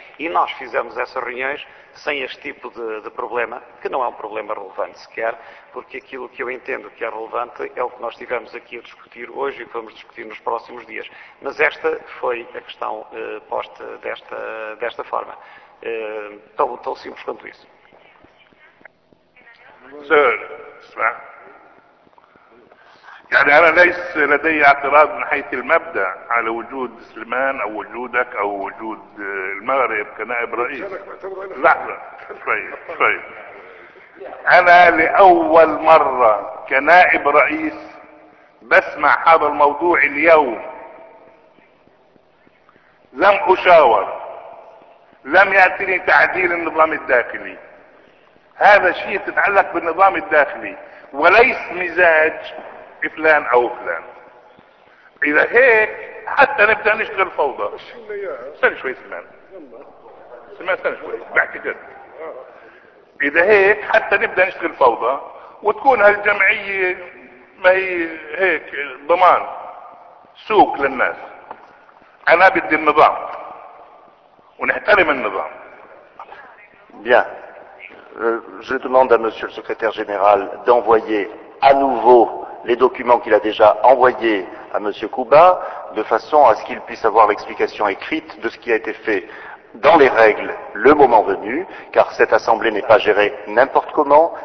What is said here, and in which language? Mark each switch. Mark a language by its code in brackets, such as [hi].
[pt] E nós fizemos essas reuniões sem este tipo de problema, que não é um problema relevante sequer, porque aquilo que eu entendo que é relevante é o que nós tivemos aqui a discutir hoje e que vamos discutir nos próximos dias. Mas esta foi a questão posta desta forma. Tão simples quanto isso. [ar] Sir, يعني أنا ليس لدي اعتراض من حيث المبدأ على وجود سليمان أو وجودك أو وجود المغرب كنائب رئيس. لا شوي. أنا لأول مرة كنائب رئيس بسمع هذا الموضوع اليوم. لم أشاور، لم يأتيني تعديل النظام الداخلي. هذا شيء يتعلق بالنظام الداخلي وليس مزاج فلان أو فلان. إذا هيك حتى نبدأ نشتغل فوضى. استنى شوي سلمان. استنى شوي. بعدك جد. إذا هيك حتى نبدأ نشتغل فوضى وتكون هالجمعية ما هي هيك ضمان سوق للناس. أنا بدي النظام ونحترم النظام. [fr] Bien. Je demande à Monsieur le Secrétaire Général d'envoyer à nouveau les documents qu'il a déjà envoyés à Monsieur Kuba, de façon à ce qu'il puisse avoir l'explication écrite de ce qui a été fait dans les règles le moment venu, car cette Assemblée n'est pas gérée n'importe comment.